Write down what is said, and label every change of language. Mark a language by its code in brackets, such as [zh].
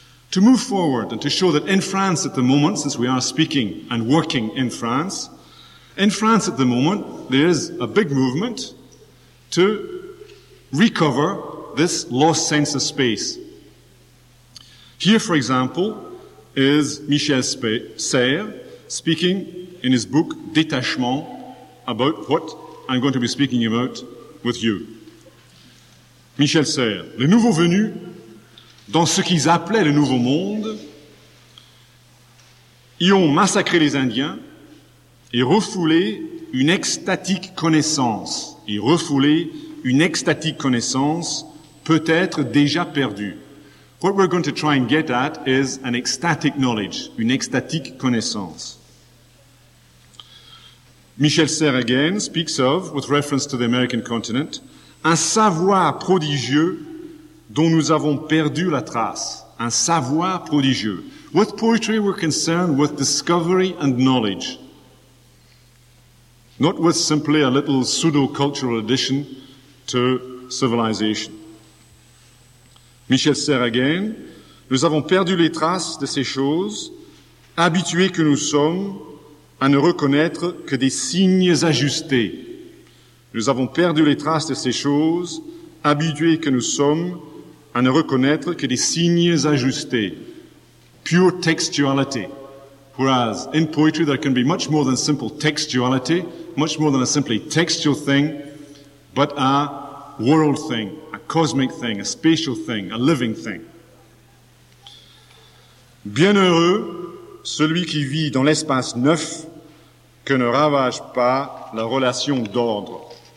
[en] To move forward and to show that in France at the moment, since we are speaking and working in France at the moment, there is a big movement to recover this lost sense of space. Here, for example, is Michel Serres speaking in his book Détachement about what I'm going to be speaking about with you. [fr] Michel Serres, les nouveaux venus dans ce qu'ils appelaient le Nouveau Monde y ont massacré les Indiens et refoulé une extatique connaissance. Et refoulé une extatique connaissance peut-être déjà perdue. [en] What we're going to try and get at is an ecstatic knowledge, [fr] une extatique connaissance. [en] Michel Serres again speaks of, with reference to the American continent, [fr] un savoir prodigieux dont nous avons perdu la trace. Un savoir prodigieux. [en] With poetry, we're concerned with discovery and knowledge. Not with simply a little pseudo-cultural addition to civilization. [fr] Michel Serres again, nous avons perdu les traces de ces choses, habitués que nous sommes à ne reconnaître que des signes ajustés. Nous avons perdu les traces de ces choses, habitués que nous sommes à ne reconnaître que des signes ajustés. [en] Pure textuality. Whereas in poetry there can be much more than simple textuality, much more than a simply textual thing, but a world thing, a cosmic thing, a spatial thing, a living thing. [fr] Bienheureux celui qui vit dans l'espace neuf que ne ravage pas la relation d'ordre.